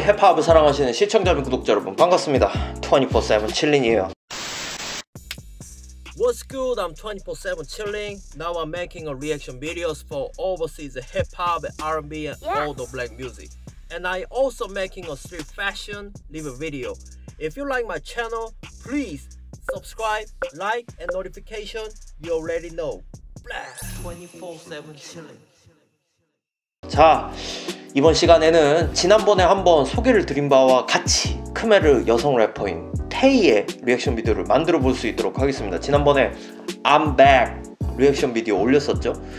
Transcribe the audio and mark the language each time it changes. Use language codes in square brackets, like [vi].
[ko] 힙합을 사랑하시는 시청자분, 구독자 여러분 반갑습니다. 24/7 chilling이에요. [en] What's good? I'm 24/7 chilling. Now I'm making a reaction videos for overseas hip-hop, R&B, and all the black music. And I also making a street fashion live video. If you like my channel, please subscribe, like, and notification. You already know. Blast. 24/7 chilling. [ko] 자, 이번 시간에는 지난번에 한번 소개를 드린 바와 같이 크메르 여성 래퍼인 테이의 리액션 비디오를 만들어 볼 수 있도록 하겠습니다. 지난번에 I'm back 리액션 비디오 올렸었죠.